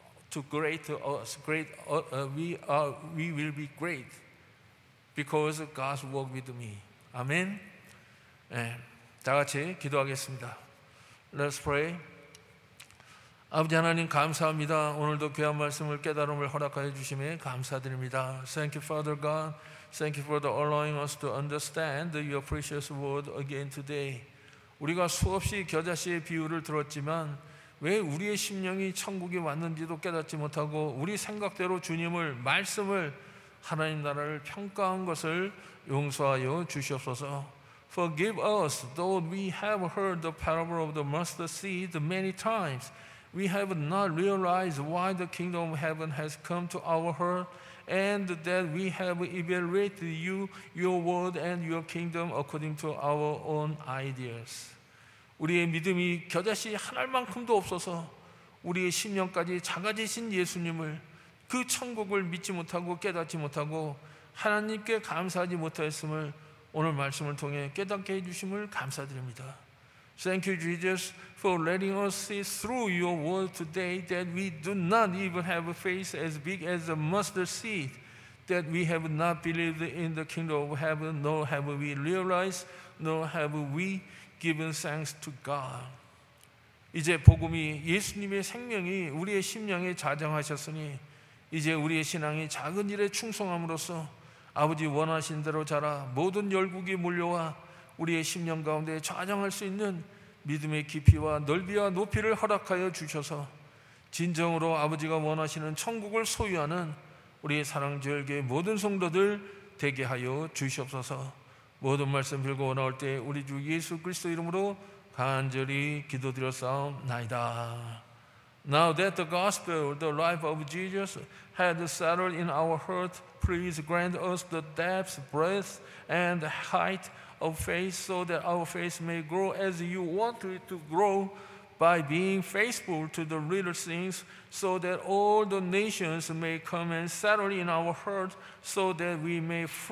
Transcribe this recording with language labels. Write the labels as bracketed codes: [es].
[en] To great us, great we will be great because of God's work with me. Amen. [ko] 네, 다 같이 기도하겠습니다. [en] Let's pray. [ko] 아버지 하나님 감사합니다. 오늘도 귀한 말씀을 깨달음을 허락하여 주심에 감사드립니다. [en] Thank you, Father God. Thank you for the allowing us to understand your precious word again today. [ko] 우리가 수없이 겨자씨의 비유를 들었지만 왜 우리의 심령이 천국에 왔는지도 깨닫지 못하고 우리 생각대로 주님을 말씀을 하나님 나라를 평가한 것을 용서하여 주시옵소서. [en] Forgive us, though we have heard the parable of the mustard seed many times, we have not realized why the kingdom of heaven has come to our heart, and that we have evaluated you, your word, and your kingdom according to our own ideas. [ko] 우리의 믿음이 겨자씨 한 알만큼도 없어서 우리의 심령까지 작아지신 예수님을 그 천국을 믿지 못하고 깨닫지 못하고 하나님께 감사하지 못하였음을 오늘 말씀을 통해 깨닫게 해주심을 감사드립니다. [en] Thank you, Jesus, for letting us see through your word today that we do not even have a face as big as a mustard seed, that we have not believed in the kingdom of heaven, nor have we realized, nor have we given thanks to God. [ko] 이제 복음이 예수님의 생명이 우리의 심령에 자정하셨으니 이제 우리의 신앙이 작은 일에 충성함으로써 아버지 원하신 대로 자라 모든 열국이 몰려와 우리의 심령 가운데 좌정할 수 있는 믿음의 깊이와 넓이와 높이를 허락하여 주셔서 진정으로 아버지가 원하시는 천국을 소유하는 우리의 사랑지역의 모든 성도들 되게 하여 주시옵소서. 모든 말씀 빌고 나올 때 우리 주 예수 그리스도 이름으로 간절히 기도드렸사옵나이다. [en] Now that the gospel, the life of Jesus, had settled in our heart, please grant us the depth, breadth, and height of faith so that our faith may grow as you want it to grow by being faithful to the little things, so that all the nations may come and settle in our heart, so that we may